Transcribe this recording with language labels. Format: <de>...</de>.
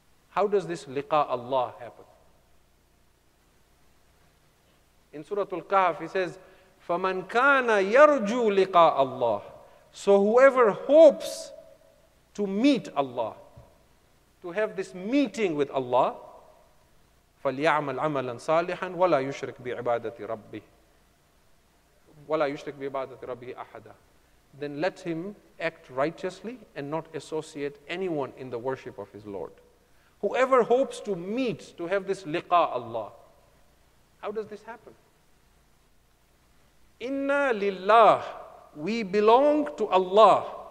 <en>How does this liqa Allah happen? In Surah Al-Kahf, He says,</en> <ar>فَمَنْ كَانَ يَرْجُو لِقَاءَ اللَّهِ.</ar> <en>So whoever hopes to meet Allah, to have this meeting with Allah,</en> <ar>فليعمل عملا صالحا ولا يشرك بعبادة ربه ولا يشرك بعبادة ربه أحدا.</ar> <en>Then let him act righteously and not associate anyone in the worship of his Lord. Whoever hopes to meet, to have this liqa Allah. How does this happen? Inna lillah, we belong to Allah.</en>